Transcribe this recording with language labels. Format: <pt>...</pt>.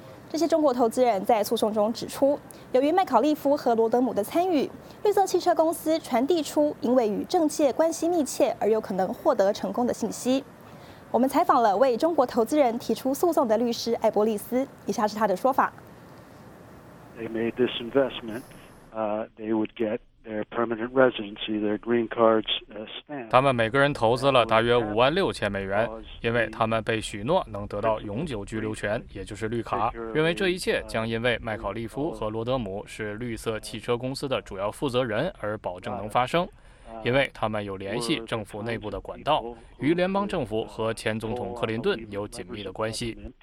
<zh>这些中国投资人在诉讼中指出，由于麦考利夫和罗德姆的参与，绿色汽车公司传递出因为与政界关系密切而有可能获得成功的信息。我们采访了为中国投资人提出诉讼的律师艾伯利斯，以下是他的说法。</zh> <en>They made this investment, they would get their permanent residency, their green cards, stamp.</en> <zh>他们每个人投资了大约56000美元，因为他们被许诺能得到永久居留权，也就是绿卡，认为这一切将因为麦考利夫和罗德姆是绿色汽车公司的主要负责人而保证能发生，因为他们有联系政府内部的管道，与联邦政府和前总统克林顿有紧密的关系。</zh>